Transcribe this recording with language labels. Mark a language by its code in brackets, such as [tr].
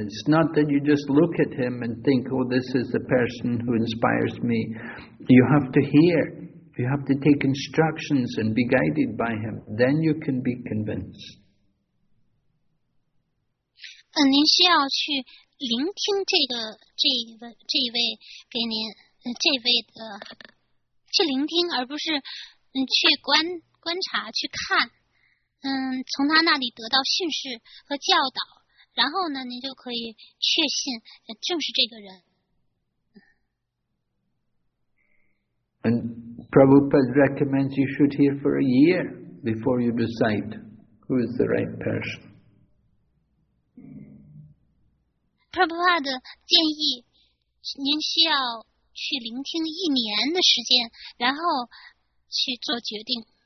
[en] It's not that you just look at him and think, oh, this is the person who inspires me. You have to hear. You have to take instructions and be guided by him. Then you can be convinced. [zh] 您需要去聆听这一位给您这位的去聆听，而不是去观察去看，从他那里得到训示和教导，然后呢您就可以确信正是这个人。 [en] And Prabhupada recommends you should hear for a year before you decide who is the right person. [zh] Prabhupada 建议您需要去聆听一年的时间，然后去做决定。